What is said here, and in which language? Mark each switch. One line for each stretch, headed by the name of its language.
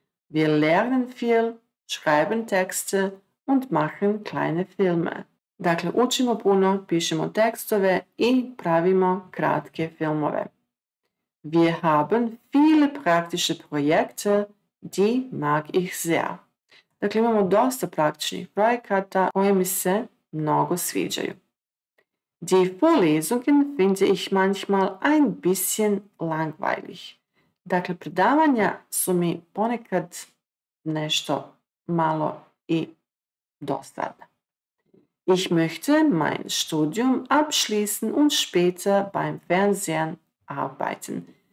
German: Wir lernen viel, schreiben Texte und machen kleine Filme.
Bosnian: Dakle, učimo puno, pišemo tekstove i pravimo kratke filmove.
German: Wir haben viele praktische Projekte, die mag ich sehr.
Bosnian: Dakle, imamo dosta praktičnih projekata koje mi se mnogo sviđaju.
German: Die Vorlesungen finde ich manchmal ein bisschen langweilig.
Bosnian: Dakle, predavanja su mi ponekad nešto malo i dosadna.
German: Ich möchte mein Studium abschließen und später beim Fernsehen arbeiten.